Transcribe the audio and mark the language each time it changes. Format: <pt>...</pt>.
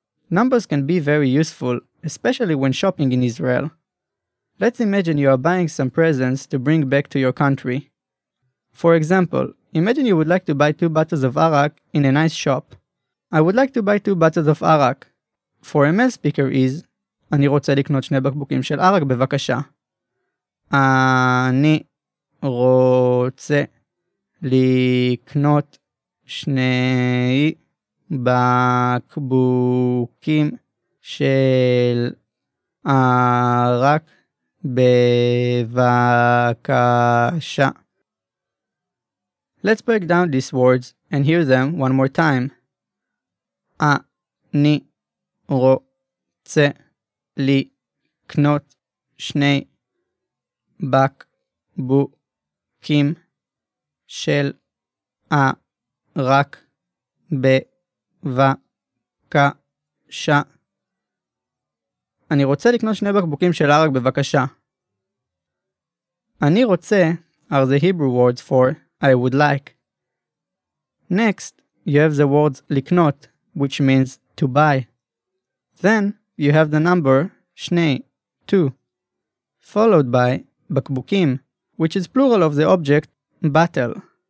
<en>Numbers can be very useful, especially when shopping in Israel. Let's imagine you are buying some presents to bring back to your country. For example, imagine you would like to buy 2 bottles of arak in a nice shop. I would like to buy 2 bottles of arak. For a male speaker is,</en> <he>אני רוצה לקנות 2 בקבוקים של ארק, בבקשה. אני רוצה לקנות 2 בקבוקים של ארק, בבקשה.</he> <en>Let's break down these words and hear them one more time.</en> <he>אני רוצה לקנות 2 בקבוקים של ארק, בבקשה. אני רוצה לקנות 2 בקבוקים של ארק, בבקשה. אני רוצה</he> <en>are the Hebrew words for I would like. Next, you have the words לקנות, which means to buy. Then, you have the number שני, 2, followed by בקבוקים, which is plural of the object battle.</en>